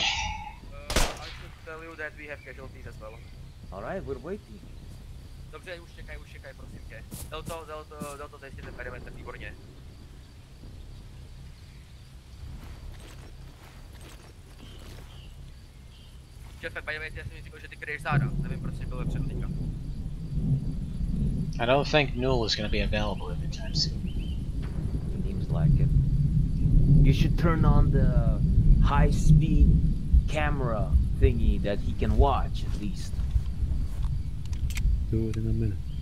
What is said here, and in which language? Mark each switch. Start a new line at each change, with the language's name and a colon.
English: I should tell you that we have casualties as well. Alright, we're waiting.
Czech: Dobře, už čekaj, prosím tě. Dal to zajistit ten perimeter, výborně. Jeffe,
English: by the way,
Czech: já jsem říkal, že ty kryješ záda, nevím, proč jsi byl vepředu teďka.
English: I don't think Null is gonna be available anytime soon. Seems like it. You should turn on the high-speed camera thingy that he can watch, at least. Do it in a minute.